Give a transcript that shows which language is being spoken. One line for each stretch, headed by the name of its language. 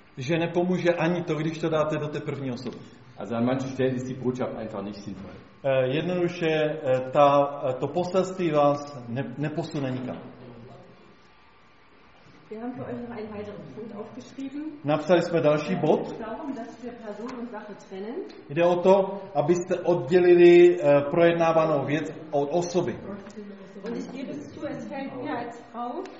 Czech: Že nepomůže ani to, když to dáte do té první osoby.
German: Also an manchen Stellen ist die Botschaft einfach nicht sinnvoll.
Czech: Jednoduše, to poselství vás neposune nikam.
German: Wir haben für euch noch einen weiteren Punkt aufgeschrieben.
Czech: Napsali jsme další bod.
German: Darum, dass wir Person und Sache trennen.
Czech: Jde o to, abyste oddělili projednávanou věc od osoby.
German: Und ich gebe es zu, es fällt mir als Frau.